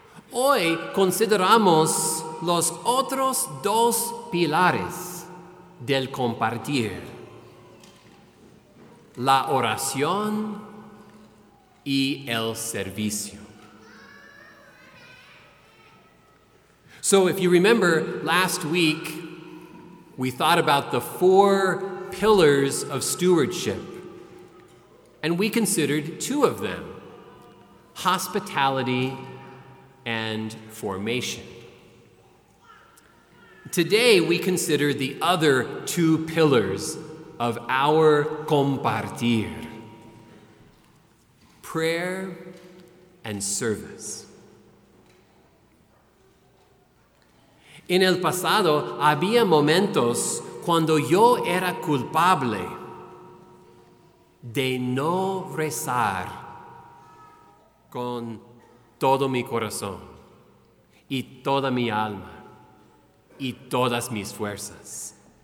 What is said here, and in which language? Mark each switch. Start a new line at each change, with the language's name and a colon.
Spanish: Hoy consideramos los otros dos pilares del compartir: la oración y el servicio.
English: So, if you remember, last week we thought about the four pillars of stewardship, and we considered two of them: hospitality and formation. Today we consider the other two pillars of our compartir: prayer and service.
Spanish: En el pasado había momentos cuando yo era culpable de no rezar con todo mi corazón y toda mi alma y todas mis fuerzas.